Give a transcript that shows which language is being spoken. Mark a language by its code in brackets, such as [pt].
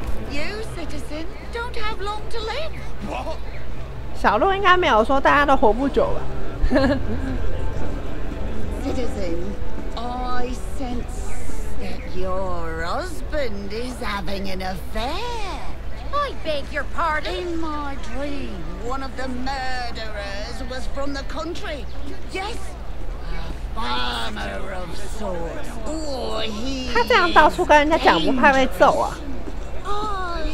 [en] You citizen don't have long to live. [zh] 小鹿应该没有说大家都活不久吧。 [en] Citizen, I sense that your husband is having an affair. I beg your pardon. In my dream, one of the murderers was from the country. Yes. [zh] 他这样到处跟人家讲，不怕被揍啊？